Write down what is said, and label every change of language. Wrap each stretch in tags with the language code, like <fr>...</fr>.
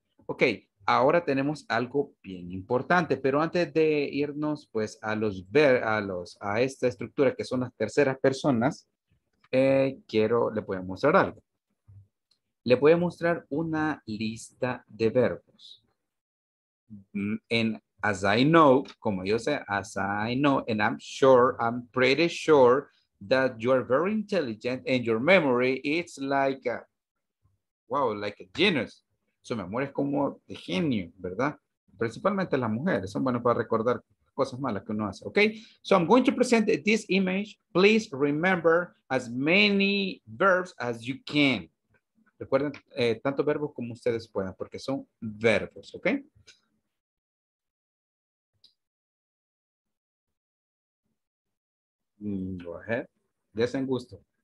<es>Ok, ahora tenemos algo bien importante, pero antes de irnos pues a los ver, a esta estructura que son las terceras personas, le voy a mostrar algo. Le voy a mostrar una lista de verbos.</es> <en>En as I know,</en> <es>como yo sé,</es> <en>as I know, and I'm sure, I'm pretty sure that you are very intelligent and your memory is like a genius.</en> <es>Su memoria es como de genio, ¿verdad? Principalmente las mujeres son buenas para recordar cosas malas que uno hace, ¿ok?</es> <en>So I'm going to present this image. Please remember as many verbs as you can.</en> <es>Recuerden tanto verbos como ustedes puedan porque son verbos, ¿ok?</es> <en>Go ahead.</en> <es>Desen gusto.</es>